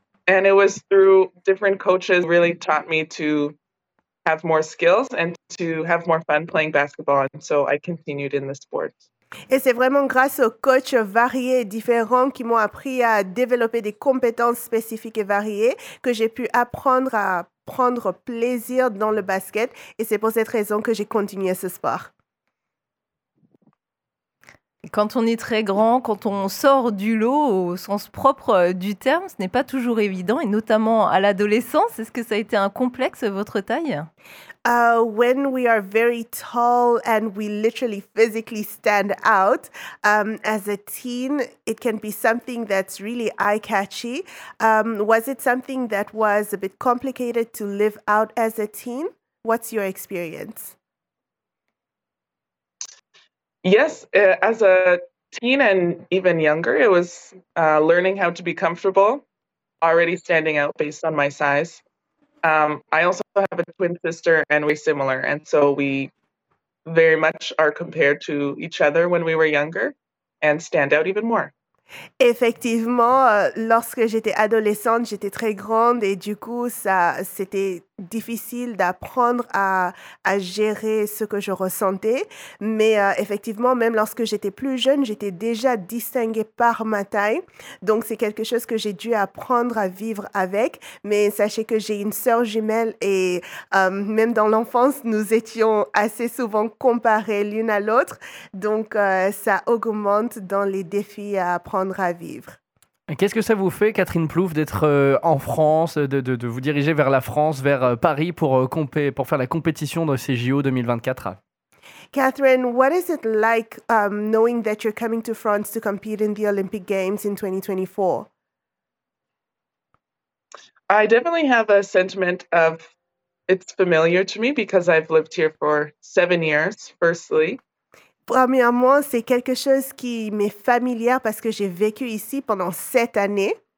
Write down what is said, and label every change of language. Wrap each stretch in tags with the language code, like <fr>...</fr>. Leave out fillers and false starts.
<en>And it was through different coaches really taught me to have more skills and to have more fun playing basketball. And so I continued in the sports.</en> <fr>Et c'est vraiment grâce aux coachs variés et différents qui m'ont appris à développer des compétences spécifiques et variées que j'ai pu apprendre à prendre plaisir dans le basket. Et c'est pour cette raison que j'ai continué ce sport. Quand on est très grand, quand on sort du lot au sens propre du terme, ce n'est pas toujours évident, et notamment à l'adolescence. Est-ce que ça a été un complexe, votre taille?</fr> <en>When we are very tall and we literally physically stand out, as a teen, it can be something that's really eye-catchy. Was it something that was a bit complicated to live out as a teen? What's your experience? Yes, as a teen and even younger, it was learning how to be comfortable, already standing out based on my size. I also have a twin sister and we're similar. And so we very much are compared to each other when we were younger and stand out even more.</en> <fr>Effectivement, lorsque j'étais adolescente, j'étais très grande et du coup, ça, c'était difficile d'apprendre à gérer ce que je ressentais. Mais effectivement, même lorsque j'étais plus jeune, j'étais déjà distinguée par ma taille. Donc, c'est quelque chose que j'ai dû apprendre à vivre avec. Mais sachez que j'ai une sœur jumelle et même dans l'enfance, nous étions assez souvent comparées l'une à l'autre. Donc, ça augmente dans les défis à apprendre à vivre. Qu'est-ce que ça vous fait, Catherine Plouffe, d'être en France, de vous diriger vers la France, vers Paris pour faire la compétition de ces JO 2024?</fr> <en>Catherine, what is it like knowing that you're coming to France to compete in the Olympic Games in 2024? I definitely have a sentiment of it's familiar to me because I've lived here for 7 years, firstly.</en> <fr>Premièrement, c'est quelque chose qui m'est familière parce que j'ai vécu ici pendant 7 années.</fr>